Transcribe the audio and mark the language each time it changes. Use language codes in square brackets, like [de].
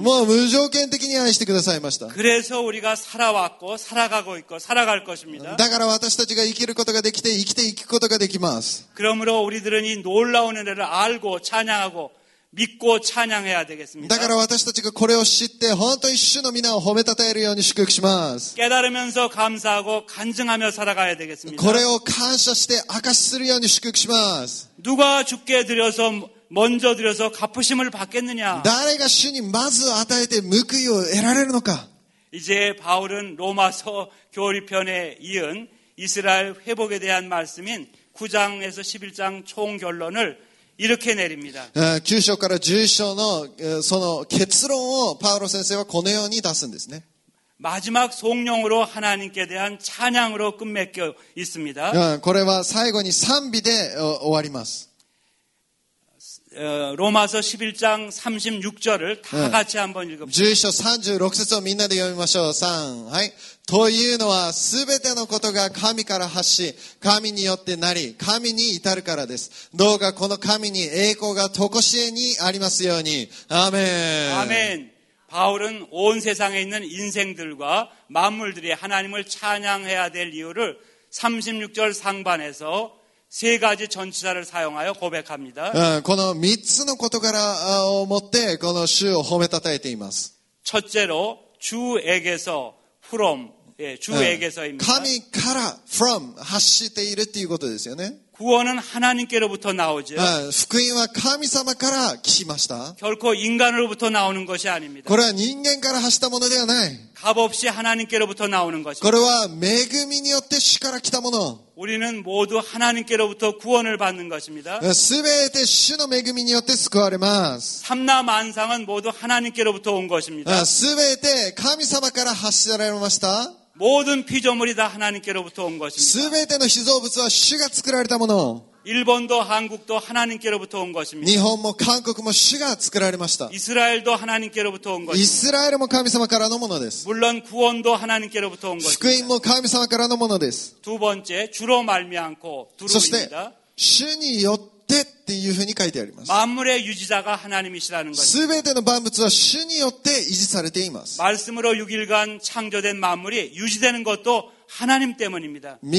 [ja] もう無条件的に愛してくださいました。 [ko] 그래서 우리가 살아왔고 살아가고 있고 살아갈 것입니다. [ja] だから私たちが生きることができて生きていくことができます。 [ko] 그러므로 우리들은 이 놀라운 은혜를 알고 찬양하고 믿고 찬양해야 되겠습니다. [ja] だから私たちがこれを知って本当に主の皆を褒めたたえるように祝福します。 [ko] 깨달으면서 감사하고 간증하며 살아가야 되겠습니다. [ja] これを感謝して証しするように祝福します。 [ko] 누가 주께 드려서 먼저 드려서 갚으심을 받겠느냐? [ja] 誰が主にまず与えて報いを得られるのか? [ko] 이제 바울은 로마서 교리편에 이은 이스라엘 회복에 대한 말씀인 9장에서 11장 총결론을 이렇게 내립니다. [ja] 9章から 11章の その結論を パウロ先生はこのように出すんですね。 [ko] 마지막 송영으로 하나님께 대한 찬양으로 끝맺겨 있습니다. [ja] これは最後に賛美で終わります。 [ko] 로마서 11장 36절을 다 같이 한번 읽어보세요. [ja] 11章 36節を みんなで読みましょう。 3. はい。というのはすべてのことが神から発し、神によってなり、神に至るからです。どうかこの神に栄光がとこしえにありますように。アーメン。アーメン。 [ko] 바울은 온 세상에 있는 인생들과 만물들이 하나님을 찬양해야 될 이유를 36절 상반에서 세 가지 전치사를 사용하여 고백합니다. [ja] この3つの事柄をもってこの主を褒めたたえています. [ko] 첫째로 주에게서 from 예, 주에게서입니다. [ja] 神から from 発しているっていうことですよね. [ko] 구원은 하나님께로부터 나오죠. [ja] 福音は神様から聞きました. [ko] 결코 인간으로부터 나오는 것이 아닙니다. [ja] これは人間から発したものではない. [ko] 값없이 하나님께로부터 나오는 것입니다. [ja] これは恵みによって主から来たもの. [ko] 우리는 모두 하나님께로부터 구원을 받는 것입니다. [ja] 全て主の恵みによって救われます. [ko] 삼라만상은 모두 하나님께로부터 온 것입니다. [ja] 全て神様から発せられました. [ko] 모든 피조물이 다 하나님께로부터 온 것입니다. [ja] 全ての被造物は主が作られたもの. [ko] 일본도 한국도 하나님께로부터 온 것입니다. [ja] 日本も韓国も主が作られました. [ko] 이스라엘도 하나님께로부터 온 것입니다. [ja] 이스라엘も神様からのものです. [ko] 물론 구원도 하나님께로부터 온 것입니다. [ja] 福音も神様からのものです. [ko] 두 번째, 주로 말미암고 두루입니다. [ja] 主によってっていうふうに書いてあります. [ko] 만물의 유지자가 하나님이시라는 것입니다. [ja] 全ての万物は主によって維持されています. [ko] 말씀으로 6일간 창조된 만물이 유지되는 것도 하나님 때문입니다.